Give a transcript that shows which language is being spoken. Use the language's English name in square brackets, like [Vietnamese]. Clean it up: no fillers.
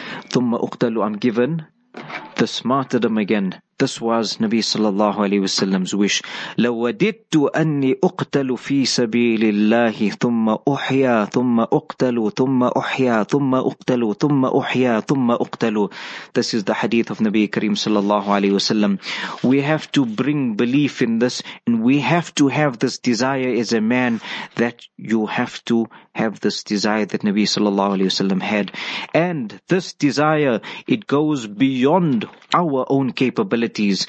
[Arabic] ثُمَّ أُقْتَلُ, [English] I'm given this martyrdom again. This was Nabi sallallahu alayhi wa sallam's wish. [Arabic] لَوَدِدْتُ أَنِّي أُقْتَلُ فِي سَبِيلِ اللَّهِ ثُمَّ أُحْيَا ثُمَّ أُقْتَلُ ثُمَّ أُحْيَا ثُمَّ أُقْتَلُ ثُمَّ أُحْيَا ثُمَّ أُقْتَلُ. [English] This is the hadith of Nabi Kareem sallallahu alayhi wa sallam. We have to bring belief in this, and we have to have this desire as a man, that you have to have this desire that Nabi sallallahu alayhi wa sallam had. And this desire, it goes beyond our own capability.